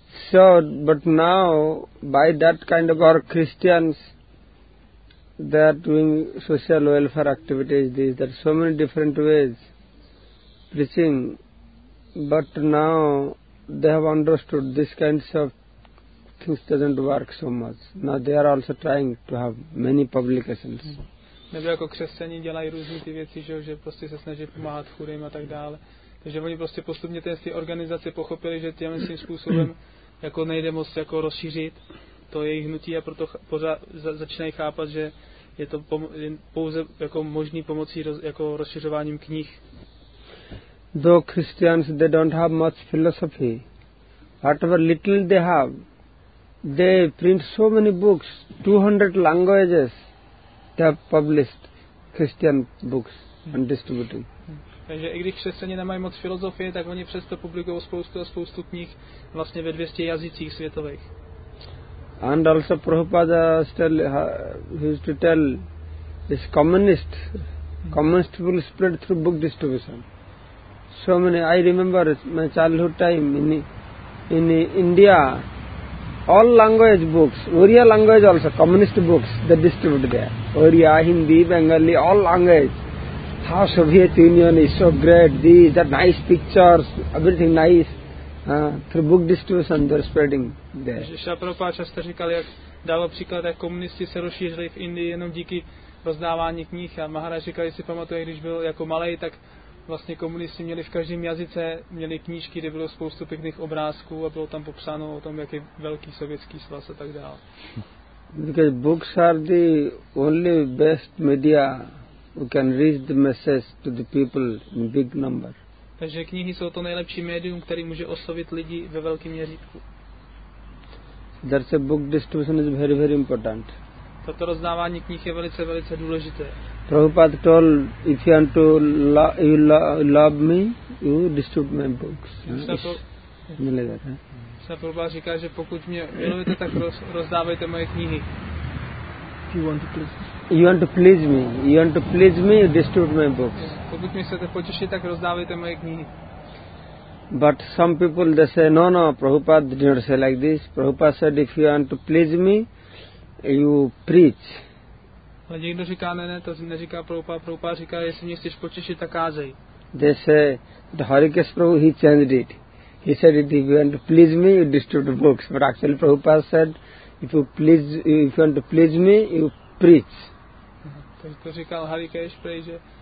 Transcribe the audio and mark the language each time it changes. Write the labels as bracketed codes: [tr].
[en] So, but now, by that kind of our Christians, they are doing social welfare activities, these, there are so many different ways, preaching, but now they have understood these kinds of things doesn't work so much. Now they are also trying to have many publications. [cs] Nebo jako křesťani dělají různé ty věci, že prostě se snaží pomáhat chudým a tak dále. Takže oni prostě postupně ty organizace pochopili, že tím svým způsobem jako nejde moc jako rozšířit to jejich hnutí a proto začínají chápat, že je to pouze jako možný pomocí jako rozšiřováním knih. [en] Do Christians, they don't have much philosophy. Whatever little they have, they print so many books, 200 languages, they have published Christian books and distributing. Takže i když křesťané nemají moc filozofie, tak oni přesto publikují spoustu knih vlastně ve 200 jazycích světových. And also Prabhupada used to tell this communist will spread through book distribution. So many, I remember my childhood time in India, all language books, Oriya language also, communist books, they distribute there. Oriya, Hindi, Bengali, all language. How Soviet Union is so great, these are nice pictures, everything nice, through book distribution they are spreading there. [cs] Šrila Prabhupáda často říkal, jak dával příklad, jak komunisti se rozšířili v Indii jenom díky rozdávání knih a Maharaj říkal, jestli pamatuje, když byl jako malej, tak vlastně komunisti měli v každém jazyce, měli knížky, kde bylo spoustu pěkných obrázků a bylo tam popsáno o tom, jak je velký sovětský svaz a tak dále. [en] Because books are the only best media. We can reach the message to the people in big number. [cs] Takže knihy jsou to nejlepší médium, který může oslovit lidi ve velkém měřítku. [en] That's a book distribution is very very important. [cs] Toto rozdávání knih je velice velice důležité. [en] Prabhupada told, if you want to love me, you distribute my books. [cs] milujete. Hmm. Sa Prabhupada říká, že pokud mě milujete, tak rozdávajte moje knihy. [en] You want to please me, you distribute my books. [cs] Pokud mě chcete potěšit, tak rozdávajte moje knihy. [en] But some people they say, no, Prabhupada did not say like this. Prabhupada said, if you want to please me, you preach. [cs] Ale někdo říká, ne, to neříká Prabhupada. Prabhupada říká, jestli mě chceš potěšit, tak kázej. [en] They say, Hari Krishna Prabhu, he changed it. He said, if you want to please me, you distribute the books. But actually Prabhupada said, if you want to please me, you preach. [cs] Tak to říkal Hari Krishna, že...